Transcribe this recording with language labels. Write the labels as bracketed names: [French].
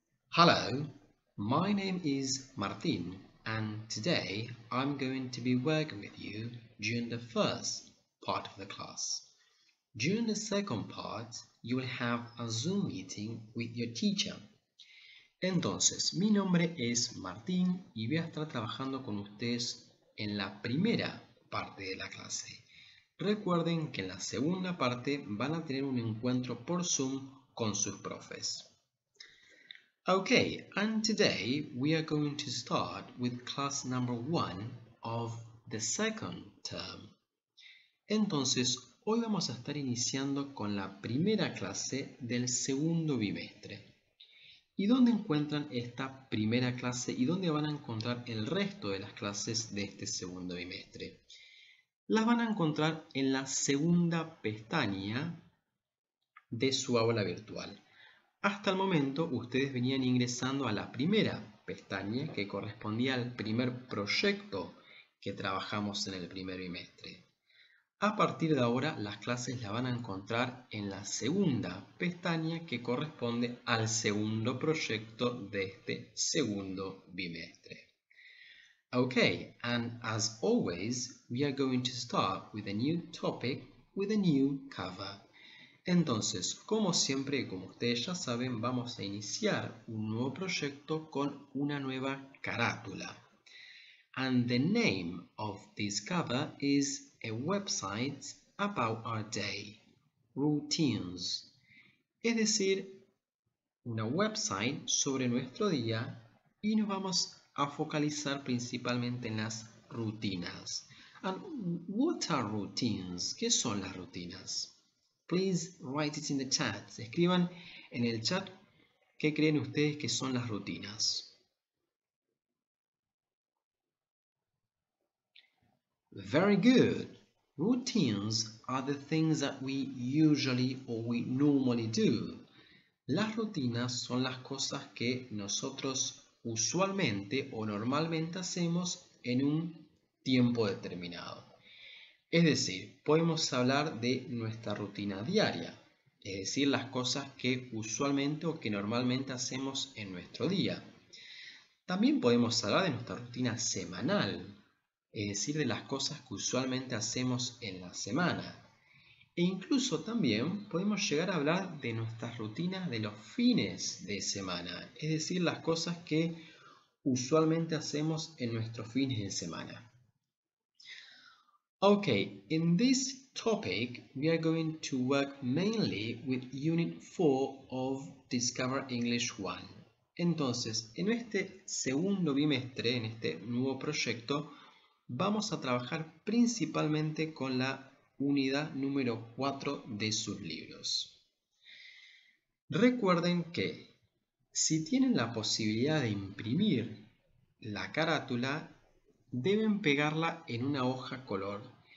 [English] Hello, my name is Martin, and today I'm going to be working with you during the first part of the class. During the second part, you will have a Zoom meeting with your teacher. [Spanish] Entonces, mi nombre es Martin y voy a estar trabajando con ustedes en la primera parte de la clase. Recuerden que en la segunda parte van a tener un encuentro por Zoom con sus profes. [English] Okay, and today we are going to start with class number one of the second term. [Spanish] Entonces, hoy vamos a estar iniciando con la primera clase del segundo bimestre. ¿Y dónde encuentran esta primera clase y dónde van a encontrar el resto de las clases de este segundo bimestre? Las van a encontrar en la segunda pestaña de su aula virtual. Hasta el momento, ustedes venían ingresando a la primera pestaña que correspondía al primer proyecto que trabajamos en el primer bimestre. A partir de ahora, las clases las van a encontrar en la segunda pestaña que corresponde al segundo proyecto de este segundo bimestre. [English] Okay, and as always, we are going to start with a new topic with a new cover. [Spanish] Entonces, como siempre, como ustedes ya saben, vamos a iniciar un nuevo proyecto con una nueva carátula. [English] And the name of this cover is a website about our day, routines. [Spanish] Es decir, una website sobre nuestro día y nos vamos a focalizar principalmente en las rutinas. [English] And what are routines? [Spanish] ¿Qué son las rutinas? [English] Please write it in the chat. [Spanish] Escriban en el chat qué creen ustedes que son las rutinas. [English] Very good. Routines are the things that we usually or we normally do. [Spanish] Las rutinas son las cosas que nosotros usualmente o normalmente hacemos en un tiempo determinado. Es decir, podemos hablar de nuestra rutina diaria, es decir, las cosas que usualmente o que normalmente hacemos en nuestro día. También podemos hablar de nuestra rutina semanal, es decir, de las cosas que usualmente hacemos en la semana. E incluso también podemos llegar a hablar de nuestras rutinas de los fines de semana, es decir, las cosas que usualmente hacemos en nuestros fines de semana. [English] Okay, in this topic, we are going to work mainly with Unit 4 of Discover English 1. [Spanish] Entonces, en este segundo bimestre, en este nuevo proyecto, vamos a trabajar principalmente con la unidad número 4 de sus libros. Recuerden que si tienen la posibilidad de imprimir la carátula, deben pegarla en una hoja color.